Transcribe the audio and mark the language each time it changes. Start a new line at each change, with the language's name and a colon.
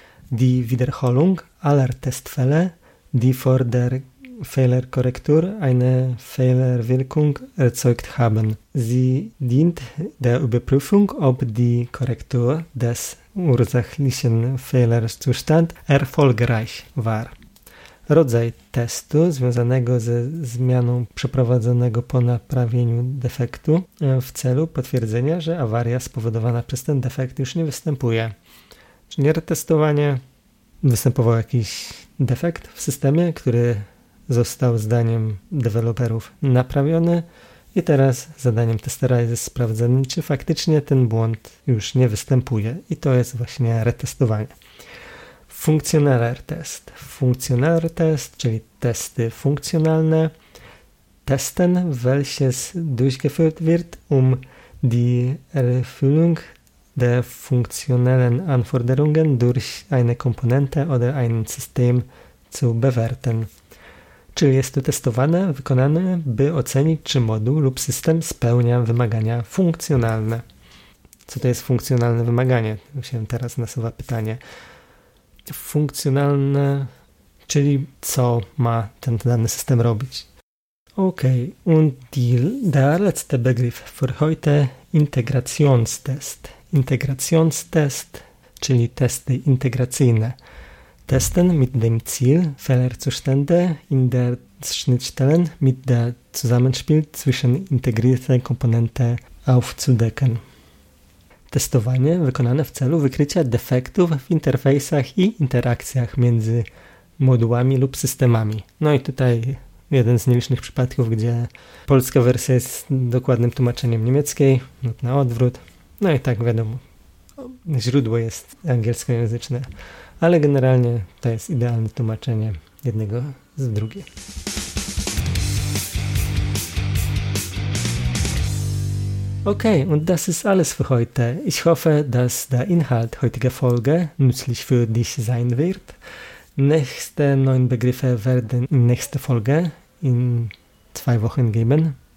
German: Die Wiederholung aller Testfälle, die vor der Fehlerkorrektur eine Fehlerwirkung erzeugt haben. Sie dient der Überprüfung, ob die Korrektur des ursächlichen Fehlerzustands erfolgreich war.
Polish: Rodzaj testu związanego ze zmianą przeprowadzonego po naprawieniu defektu w celu potwierdzenia, że awaria spowodowana przez ten defekt już nie występuje. Czyli nie retestowanie, występował jakiś defekt w systemie, który został zdaniem deweloperów naprawiony i teraz zadaniem testera jest sprawdzenie, czy faktycznie ten błąd już nie występuje i to jest właśnie retestowanie.
German: Funktionaler Test. Funktionaler Test,
Polish: czyli testy funkcjonalne.
German: testen, welches durchgeführt wird, um die Erfüllung der funktionellen Anforderungen durch eine Komponente oder ein System zu bewerten.
Polish: Czyli jest to testowane, wykonane, by ocenić, czy moduł lub system spełnia wymagania funkcjonalne. Co to jest funkcjonalne wymaganie? To się teraz nasuwa pytanie. Funkcjonalne, czyli co ma ten dany system robić.
German: Okay, und der letzte Begriff für heute, Integrationstest.
Polish: Integrationstest, czyli testy integracyjne.
German: Testen mit dem Ziel, Fehlerzustände in der Schnittstellen mit der Zusammenspiel zwischen integrierten Komponenten aufzudecken.
Polish: Testowanie wykonane w celu wykrycia defektów w interfejsach i interakcjach między modułami lub systemami. No i tutaj jeden z nielicznych przypadków, gdzie polska wersja jest dokładnym tłumaczeniem niemieckiej lub na odwrót. No i tak wiadomo, źródło jest angielskojęzyczne, ale generalnie to jest idealne tłumaczenie jednego z drugiego.
German: Okay, und das ist alles für heute. Ich hoffe, dass der Inhalt heutiger Folge nützlich für dich sein wird. Nächste neuen Begriffe werden in nächster Folge in 2 Wochen geben.